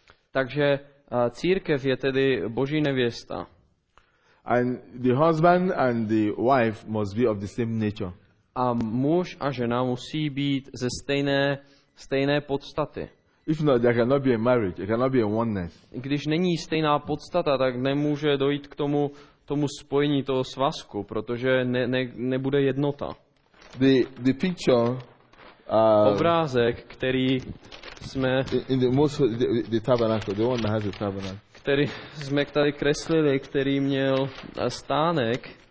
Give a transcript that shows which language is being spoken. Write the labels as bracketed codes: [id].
[cs] Takže církev je tedy Boží nevěsta. [en] And the husband and the wife must be of the same nature. [cs] A muž a žena musí být ze stejné podstaty. [en] If not, there cannot be a marriage, there cannot be a oneness. [cs] Když není stejná podstata, tak nemůže dojít k tomu spojení toho svazku, protože nebude jednota. [en] The picture [cs] obrázek, který jsme [en] in the tabernacle, the one that has the tabernacle, [cs] který jsme tady kreslili, který měl stánek,